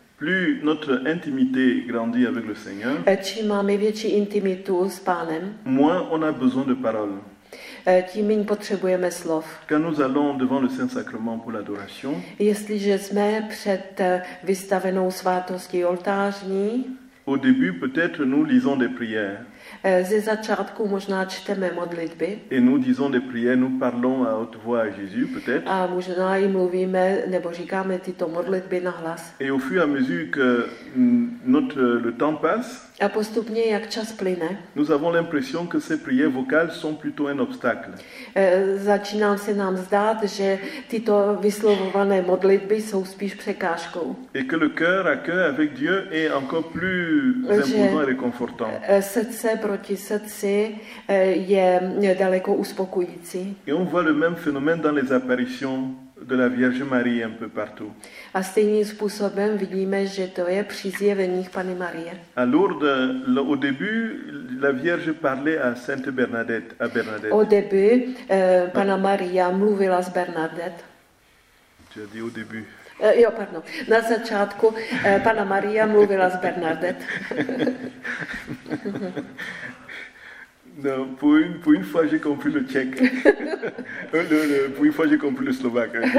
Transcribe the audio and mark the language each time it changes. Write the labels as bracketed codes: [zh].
[fr] plus notre intimité grandit avec le Seigneur. [cs] Čím máme větší intimitu s Pánem. [fr] Moins on a besoin de paroles. [cs] Tím méně potřebujeme slov. [fr] Quand nous allons devant le Saint-Sacrement pour l'adoration. [cs] Jestliže jsme před vystavenou svátostí oltářní. [fr] Au début peut-être nous lisons des prières. [cs] Ze začátku možná čteme modlitby. [fr] Et nous disons des prières, nous parlons à haute voix à Jésus peut-être. [cs] A možná i mluvíme nebo říkáme tyto modlitby nahlas. [fr] Et au fur et à mesure que le temps passe. [cs] A postupně jak čas plyne. [fr] Nous avons l'impression que ces prières vocales sont plutôt un obstacle. [cs] Začíná se nám zdát, že tyto vyslovované modlitby jsou spíš překážkou. [fr] Et que le cœur à cœur avec Dieu est encore plus imposant et réconfortant. [cs] Srdce proti srdci je daleko uspokojící. [fr] Et on voit le même phénomène dans les apparitions de la Vierge Marie un peu partout. [cs] A stejným způsobem vidíme, že to je při zjeveních Panny Marie. [fr] À Lourdes, au début, la Vierge parlait à Sainte Bernadette, à Bernadette. Au début, [cs] Panna Maria mluvila s Bernadette. [fr] Tu as dit au début. [cs] Jo, pardon. Na začátku pana Maria mluvila s Bernadette. [fr] Non, pour une fois j'ai compris le tchèque. pour une fois j'ai compris le slovaque.